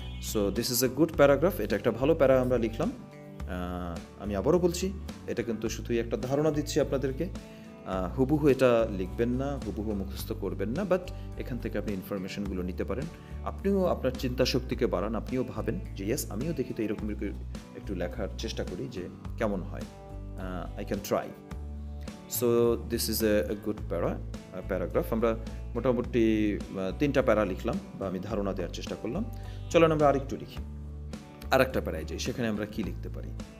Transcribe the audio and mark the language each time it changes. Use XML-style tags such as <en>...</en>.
<en>so this is a good paragraph,</en> <bn>এটা একটা ভালো প্যারা আমরা লিখলাম। আমি আবারও বলছি, এটা কিন্তু শুধুই একটা ধারণা দিচ্ছি আপনাদেরকে, হুবহু এটা লিখবেন না, হুবহু মুখস্থ করবেন না, বাট এখান থেকে আপনি ইনফরমেশনগুলো নিতে পারেন, আপনিও আপনার চিন্তাশক্তিকে বাড়ান, আপনিও ভাবেন যে ইয়েস আমিও দেখি তো এরকম একটু লেখার চেষ্টা করি যে কেমন হয়,</bn> <en>I can try. So this is a good paragraph.</en> <bn>আমরা মোটামুটি তিনটা প্যারা লিখলাম বা আমি ধারণা দেওয়ার চেষ্টা করলাম। চলো আমরা আরেকটু লিখি, আরেকটা প্যারায় যাই। সেখানে আমরা কি লিখতে পারি?</bn>